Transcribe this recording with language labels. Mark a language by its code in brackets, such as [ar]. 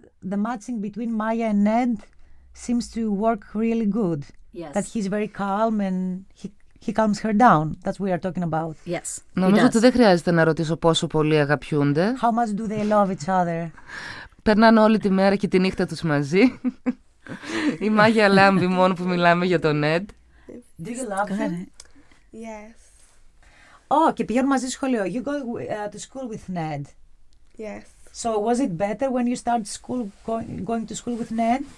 [en] The matching between Maya and Ned seems to work really good. Yes. That he's very calm and he calms her down. That's what we are talking about. Yes. [el] Νομίζω ότι δεν χρειάζεται να ρωτήσω πόσο πολύ αγαπιούνται. [en] How much do they love each other? [el] Περνάνε όλη τη μέρα και τη νύχτα τους μαζί. Η Μάγια λάμπει μόνο που μιλάμε για τον Ed. [en] Do you love him? Yes. [el] Oh, και πηγαίνω μαζί σχολείο. [en] You go to school with Ned. Yes. So was it better when you started school going to school with Ned?